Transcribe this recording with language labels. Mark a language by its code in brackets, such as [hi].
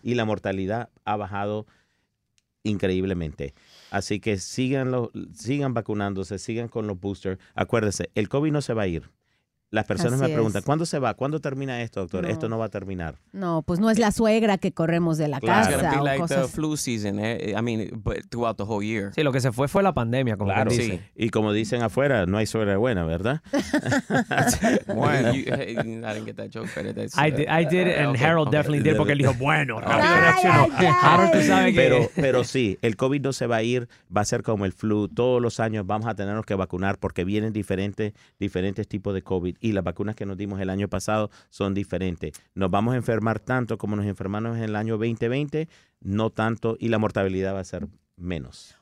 [es] Y la mortalidad ha bajado increíblemente. Así que sigan vacunándose, sigan con los boosters. Acuérdense, el COVID no se va a ir. Las personas me preguntan, ¿cuándo se va? ¿Cuándo termina esto, doctor? No. Esto no va a terminar. No, pues no es la suegra que corremos de la casa. [en] It's gonna be like the flu season, I mean, throughout the whole year. [es] Sí, lo que se fue la pandemia, como claro, dice. Sí. Y como dicen afuera, no hay suegra buena, ¿verdad? [en] Bueno, I didn't get that joke, but it's... I did, and Harold definitely did, [es] porque él dijo, bueno, rápido reaccionó. Harold, tú sabes que... Pero sí, el COVID no se va a ir, va a ser como el flu. Todos los años vamos a tener que vacunar porque vienen diferentes tipos de COVID. Y las vacunas que nos dimos el año pasado son diferentes. Nos vamos a enfermar tanto como nos enfermamos en el año 2020, no tanto, y la mortalidad va a ser menos.